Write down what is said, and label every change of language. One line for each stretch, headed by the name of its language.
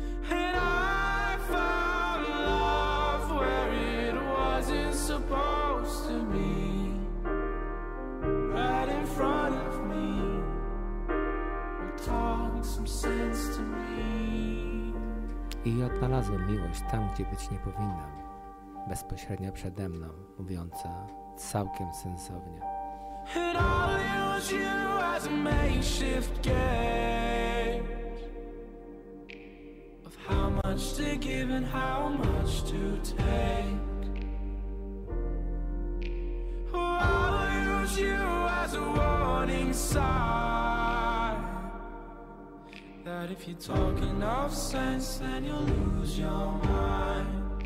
English: And I found love where it wasn't supposed to be. Right in front of me, talk some sense to me.
Polish: I odnalazłem miłość tam, gdzie być nie powinna. Bezpośrednio przede mną, mówiąca całkiem sensownie.
English: And I'll use you as a makeshift gauge of how much to give and how much to take. Oh, I'll use you as a warning sign that if you talk enough sense, then you'll lose your mind.